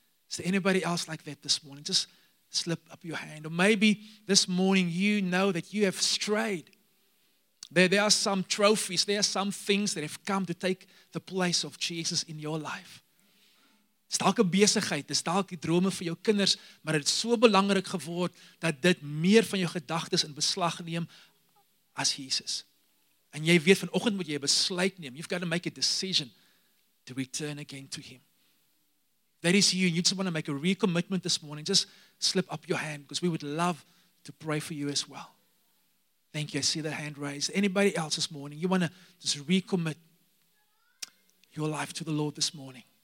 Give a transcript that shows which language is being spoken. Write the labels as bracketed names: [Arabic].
[English] Is there anybody else like that this morning? Just slip up your hand. Or maybe this morning you know that you have strayed. There are some trophies, there are some things that have come to take the place of Jesus in your life. [Afrikaans] Dis dalk 'n besigheid, dis dalk die drome vir jou kinders, maar dit is so belangrik geword dat dit meer van jou gedagtes in beslag neem as Jesus. En jy weet vanoggend moet jy 'n besluit neem. [English] You've got to make a decision to return again to him. That is you, and you just want to make a recommitment this morning. Just slip up your hand because we would love to pray for you as well. Thank you. I see the hand raised. Anybody else this morning? You want to just recommit your life to the Lord this morning?